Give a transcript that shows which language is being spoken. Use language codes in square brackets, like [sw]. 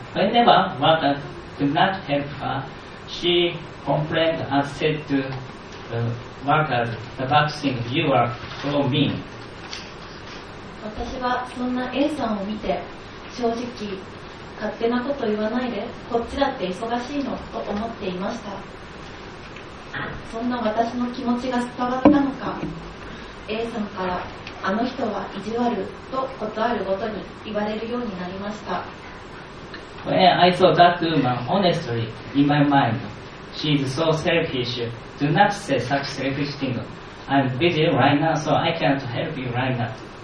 [en] Whenever workers could not help her, she complained and said to the workers, the bad things, you are so mean. [ja] 私はそんな A さんを見て、正直勝手なこと言わないで、こっちだって忙しいのと思っていました。そんな私の気持ちが伝わったのか、A さんから、あの人は意地悪とことあるごとに言われるようになりました。 [en] When I saw that woman honestly in my mind, she is so selfish. Do not say such selfish thing. I'm busy right now, so I can't help you right now.